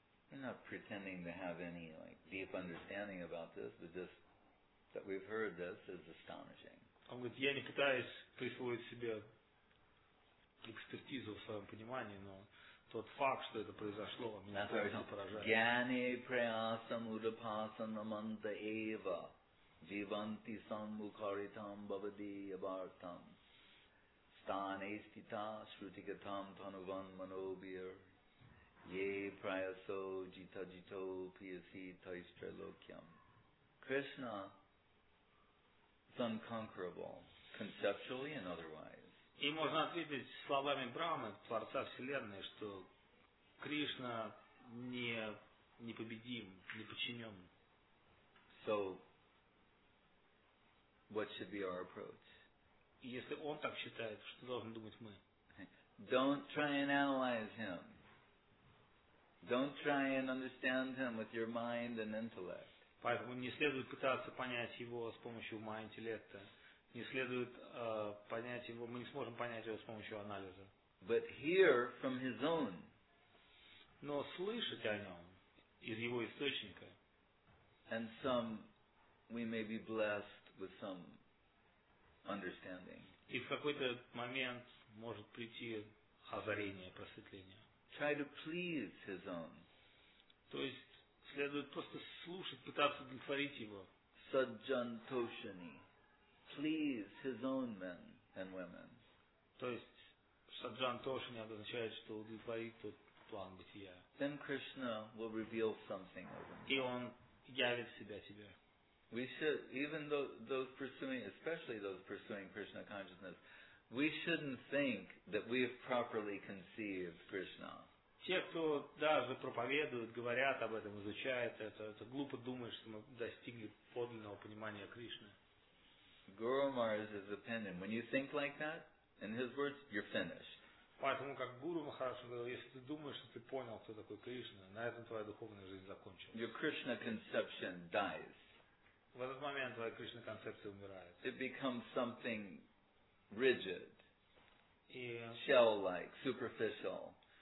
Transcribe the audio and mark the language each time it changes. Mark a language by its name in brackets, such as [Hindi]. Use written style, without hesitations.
[English] We're not pretending to have any like deep understanding about this, but just that we've heard this is astonishing. [Russian] Он говорит, я не пытаюсь присвоить себе экспертизу в своем понимании, но тот факт, что это произошло, меня просто поражает. [Sanskrit] Гьяне прясам удапасам наманта эва диванти сам мукаритам бхавадия бхартам tāne stitā śrutikatāṁ tanuvan manobhir ye prayaso jita jito piyasi taistra lokyam. [English] Krishna is unconquerable, conceptually and otherwise. [Russian] И можно ответить словами Брахмы, Творца Вселенной, что Кришна непобедим, неподчинен. [English] So, what should be our approach? [Russian] И если он так считает, что должны думать мы? [English] Don't try and analyze him. Don't try and understand him with your mind and intellect. [Russian] Поэтому не следует пытаться понять его с помощью ума и интеллекта. Не следует понять его, мы не сможем понять его с помощью анализа. [English] But hear from his own. [Russian] Но слышать о нем из его источника. [English] And some we may be blessed with some understanding. [Russian] И в какой-то момент может прийти озарение, просветление. [English] Try to please his own. [Russian] То есть следует просто слушать, пытаться удовлетворить его. [English] Саджантошани. Please his own men and women. [Russian] То есть саджан тошни означает, что удовлетворит тот план бытия. [English] Then Krishna will reveal something of him. [Russian] И он явит себя тебе. [English] We should, even though those pursuing, especially those pursuing Krishna consciousness, we shouldn't think that we have properly conceived Krishna. [Russian] Те, кто даже проповедуют, говорят об этом, изучают это глупо думать, что мы достигли подлинного понимания Кришны. [English] Guru Maharaj's opinion, when you think like that, in his words, you're finished. [Russian] Поэтому, как Гуру Махарадж говорил, если ты думаешь, что ты понял, кто такой Кришна, на этом твоя духовная жизнь закончилась. [English] Your Krishna conception dies. [Russian] В этот момент твоя Кришна концепция умирает. [English] It becomes something rigid, [Russian] и [English] shell-like, superficial.